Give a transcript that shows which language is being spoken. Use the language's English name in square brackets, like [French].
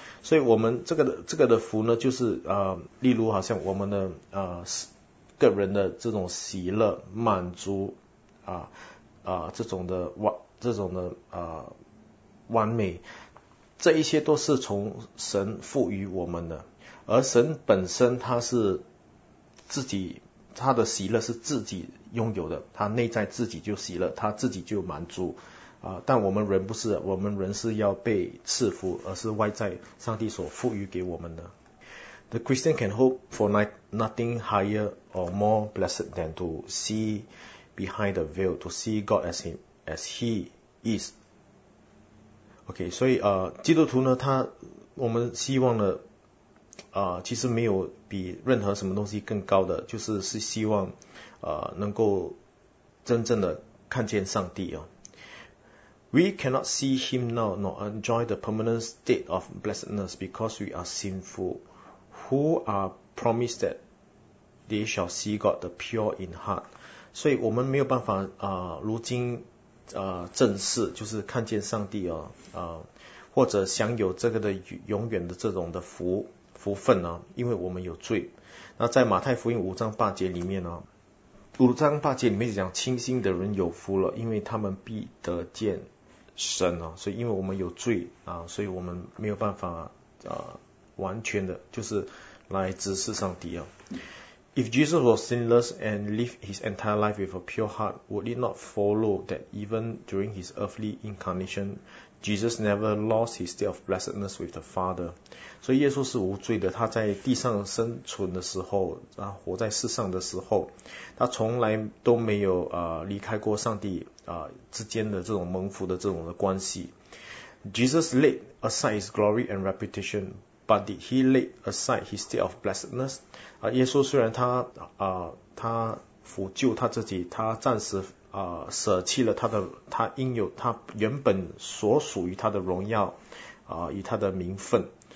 [Chinese] 所以我们这个的福呢，就是例如好像我们的个人的这种喜乐、满足这种的完美，这一些都是从神赋予我们的，而神本身他是。自己他的喜乐是自己拥有的，他内在自己就喜乐，他自己就满足但我们人不是，我们人是要被赐福，而是外在上帝所赋予给我们的。 [English] The Christian can hope for nothing higher or more blessed than to see behind the veil, to see God as he is. [Chinese] OK, 所以基督徒呢，我们希望呢其实没有比任何什么东西更高的，就是希望能够真正的看见上帝哦。 [English] We cannot see him now nor enjoy the permanent state of blessedness because we are sinful, who are promised that they shall see God the pure in heart. [Chinese] 所以我们没有办法如今正视就是看见上帝哦或者享有这个的永远的这种的福分呢，因为我们有罪。那在马太福音五章八节里面呢，五章八节里面讲，清心的人有福了，因为他们必得见神啊。所以因为我们有罪啊，所以我们没有办法完全的就是来直视上帝啊。 [English] If Jesus was sinless and lived his entire life with a pure heart, would it not follow that even during his earthly incarnation, Jesus never lost his state of blessedness with the Father? [Chinese] 所以耶稣是无罪的，他在地上生存的时候，活在世上的时候，他从来都没有离开过上帝之间的这种蒙福的这种的关系。 [English] Jesus laid aside his glory and reputation,But did he lay aside his state of blessedness? [Chinese] 耶稣虽然他俯救他自己，他暂时舍弃了他应有他原本所属于他的荣耀与他的名分